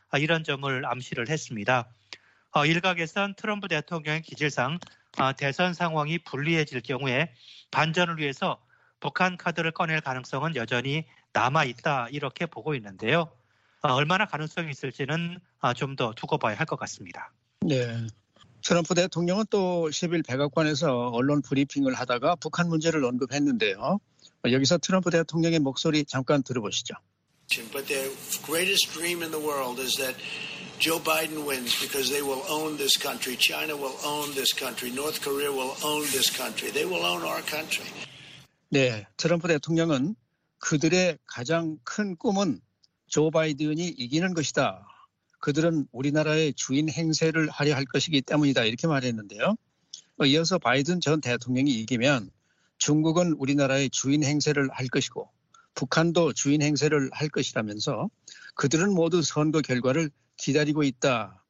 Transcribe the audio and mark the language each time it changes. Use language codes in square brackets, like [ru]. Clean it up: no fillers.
[ko] 이런 점을 암시를 했습니다. 일각에선 트럼프 대통령의 기질상 대선 상황이 불리해질 경우에 반전을 위해서 북한 카드를 꺼낼 가능성은 여전히 남아있다 이렇게 보고 있는데요. 얼마나 가능성이 있을지는 좀 더 두고 봐야 할 것 같습니다. 네. 트럼프 대통령은 또 10일 백악관에서 언론 브리핑을 하다가 북한 문제를 언급했는데요. 여기서 트럼프 대통령의 목소리 잠깐 들어보시죠. [en] But the greatest dream in the world is that Joe Biden wins because they will own this country. China will own this country. North Korea will own this country. They will own our country. [ko] 네, 트럼프 대통령은 그들의 가장 큰 꿈은 조 바이든이 이기는 것이다. 그들은 우리나라의 주인 행세를 하려 할 것이기 때문이다. 이렇게 말했는데요. 이어서 바이든 전 대통령이 이기면 중국은 우리나라의 주인 행세를 할 것이고 북한도 주인 행세를 할 것이라면서 그들은 모두 선거 결과를 기다리고 있다.